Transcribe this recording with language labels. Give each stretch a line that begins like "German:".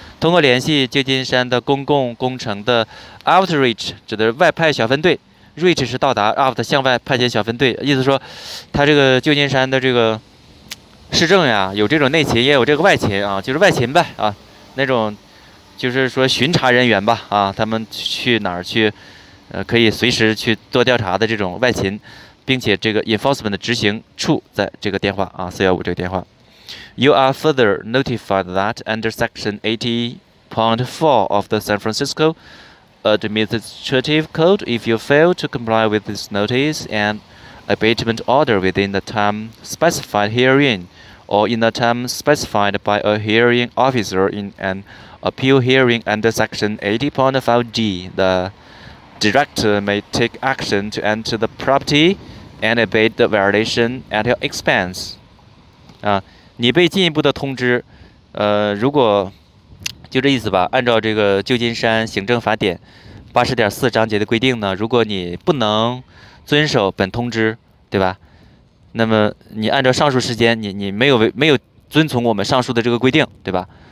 Chinese: 通过联系旧金山的公共工程的 outreach， 指的是外派小分队 ，reach 是到达 ，out 向外派遣小分队，意思说，他这个旧金山的这个市政呀，有这种内勤，也有这个外勤啊，就是外勤呗啊，那种就是说巡查人员吧啊，他们去哪儿去，可以随时去做调查的这种外勤，并且这个 enforcement 的执行处在这个电话啊，415这个电话。
English: You are further notified that under Section 80.4 of the San Francisco Administrative Code, if you fail to comply with this notice and abatement order within the time specified herein, or in the time specified by a hearing officer in an appeal hearing under Section 80.5D, the director may take action to enter the property and abate the violation at your expense.
Chinese: 你被进一步的通知，如果就这意思吧，按照这个旧金山行政法典80.4章节的规定呢，如果你不能遵守本通知，对吧？那么你按照上述时间，你没有遵从我们上述的这个规定，对吧？